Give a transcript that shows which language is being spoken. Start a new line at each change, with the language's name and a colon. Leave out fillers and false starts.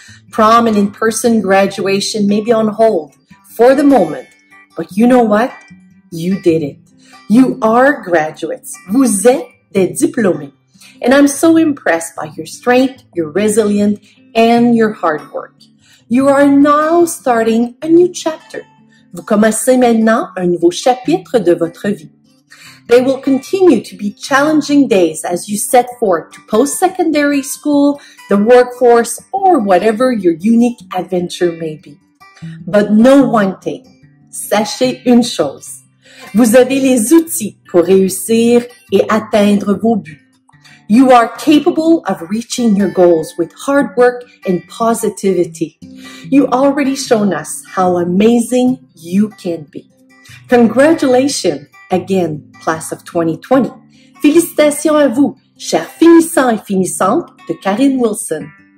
English: Prom and in-person graduation may be on hold for the moment, but you know what? You did it. You are graduates.
French: Vous êtes des diplômés.
English: And I'm so impressed by your strength, your resilience, and your hard work. You are now starting a new chapter.
French: Vous commencez maintenant un nouveau chapitre de votre vie.
English: They will continue to be challenging days as you set forth to post-secondary school, the workforce, or whatever your unique adventure may be. But know one thing.
French: Sachez une chose. Vous avez les outils pour réussir et atteindre vos buts.
English: You are capable of reaching your goals with hard work and positivity. You already shown us how amazing you can be. Congratulations again, class of 2020.
French: Félicitations à vous, chers finissants et finissantes de Karine Wilson.